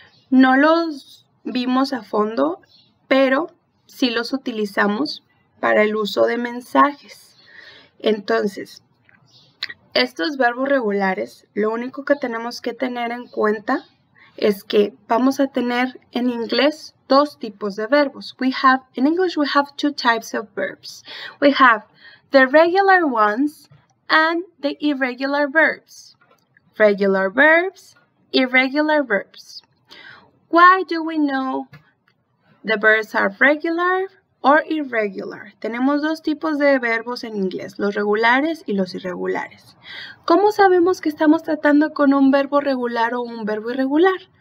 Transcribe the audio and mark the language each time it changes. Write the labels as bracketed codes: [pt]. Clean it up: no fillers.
[es] No los vimos a fondo, pero sí los utilizamos para el uso de mensajes. Entonces, estos verbos regulares, lo único que tenemos que tener en cuenta es que vamos a tener en inglés dos tipos de verbos. [en] We have, in English, we have two types of verbs. We have the regular ones and the irregular verbs. Regular verbs, irregular verbs. Why do we know the verbs are regular or irregular? [es] Tenemos dos tipos de verbos en inglés, los regulares y los irregulares. ¿Cómo sabemos que estamos tratando con un verbo regular o un verbo irregular?